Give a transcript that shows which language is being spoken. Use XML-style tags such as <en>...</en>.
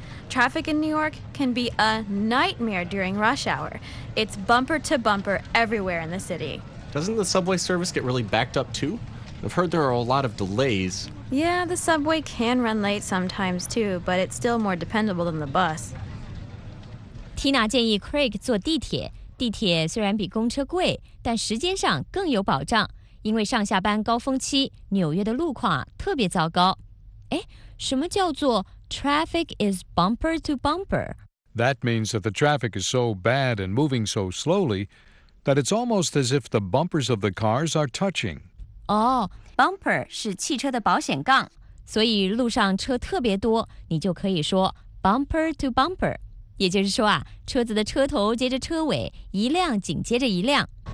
<en>Traffic in New York can be a nightmare during rush hour. It's bumper to bumper everywhere in the city. Doesn't the subway service get really backed up too? I've heard there are a lot of delays... Yeah, the subway can run late sometimes too, but it's still more dependable than the bus.</en> <zh>Tina 建议 Craig 坐地铁，地铁虽然比公车贵，但时间上更有保障，因为上下班高峰期，纽约的路况特别糟糕。哎，什么叫做</zh> <en>traffic is bumper to bumper? That means that the traffic is so bad and moving so slowly that it's almost as if the bumpers of the cars are touching.</en> <zh>Oh,Bumper 是汽车的保险杠，所以路上车特别多，你就可以说 bumper to bumper， 也就是说啊，车子的车头接着车尾，一辆紧接着一辆。</zh>